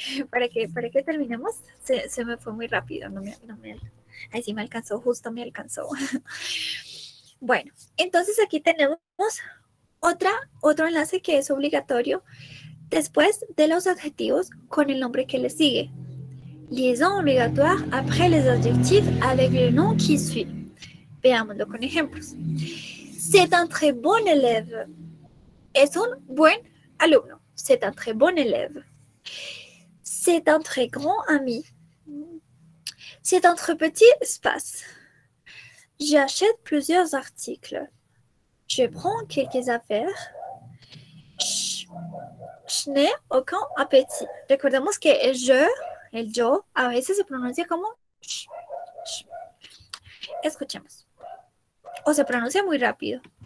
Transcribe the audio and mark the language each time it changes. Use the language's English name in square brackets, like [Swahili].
[Spanish] Para que terminemos, se me fue muy rápido, me alcanzó. Bueno, entonces aquí tenemos otro enlace que es obligatorio después de los adjetivos con el nombre que le sigue. [French] Liaison obligatoire après les adjectifs avec le nom qui suit. [Spanish] Veámoslo con ejemplos. [French] C'est un très bon élève. [Spanish] Es un buen alumno. [French] C'est un très bon élève. C'est un très grand ami. C'est un très petit espace. J'achète plusieurs articles. Je prends quelques affaires. Je n'ai aucun appétit. [Spanish] Recordemos que el yo, a veces se pronuncia como ch. Escuchemos. O se pronuncia muy rápido.